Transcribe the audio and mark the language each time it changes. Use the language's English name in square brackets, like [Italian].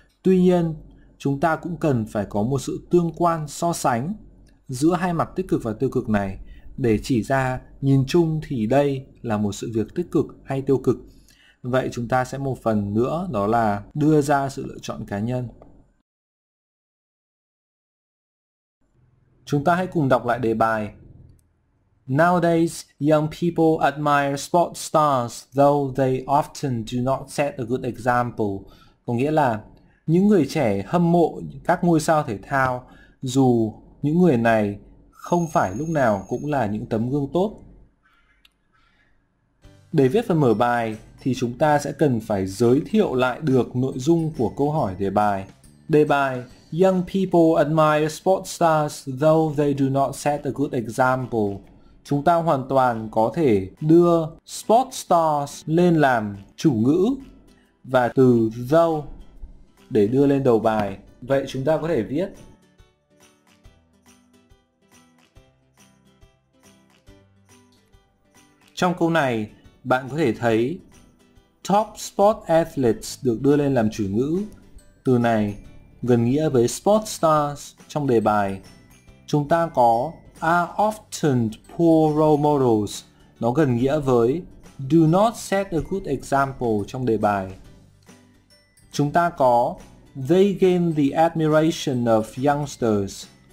[Vietnamese] Tuy nhiên, chúng ta cũng cần phải có một sự tương quan so sánh giữa hai mặt tích cực và tiêu cực này để chỉ ra nhìn chung thì đây là một sự việc tích cực hay tiêu cực. Vậy chúng ta sẽ một phần nữa, đó là đưa ra sự lựa chọn cá nhân. Chúng ta hãy cùng đọc lại đề bài. [English] Nowadays, young people admire sports stars, though they often do not set a good example. [Vietnamese] Có nghĩa là những người trẻ hâm mộ các ngôi sao thể thao, dù những người này không phải lúc nào cũng là những tấm gương tốt. Để viết phần mở bài thì chúng ta sẽ cần phải giới thiệu lại được nội dung của câu hỏi đề bài. Đề bài, [English] young people admire sports stars, though they do not set a good example. [Vietnamese] Chúng ta hoàn toàn có thể đưa sports stars lên làm chủ ngữ và từ though để đưa lên đầu bài. Vậy chúng ta có thể viết trong câu này, bạn có thể thấy [English] top sport athletes [Vietnamese] được đưa lên làm chủ ngữ. Từ này gần nghĩa với sports stars trong đề bài. Chúng ta có [English] are often poor role models. [Vietnamese] Nó gần nghĩa với [English] do not set a good example [Vietnamese] trong đề bài. Chúng ta có [English] they gain the admiration of youngsters.